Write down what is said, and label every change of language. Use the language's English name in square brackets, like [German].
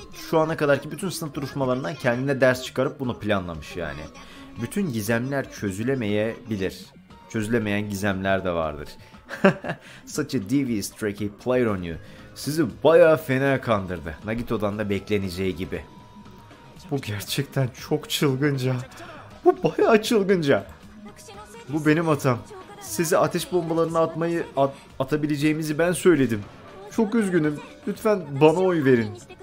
[Turkish] Şu ana kadarki bütün sınıf duruşmalarından kendine ders çıkarıp bunu planlamış yani. Bütün gizemler çözülemeyebilir. Çözülemeyen gizemler de vardır. [English] Such a devious tricky play on you. [Turkish] Sizi bayağı fena kandırdı. Nagito'dan da bekleneceği gibi. Bu gerçekten çok çılgınca. Bu bayağı çılgınca. Bu benim hatam. Size ateş bombalarını atmayı atabileceğimizi ben söyledim. Çok üzgünüm. Lütfen bana oy verin.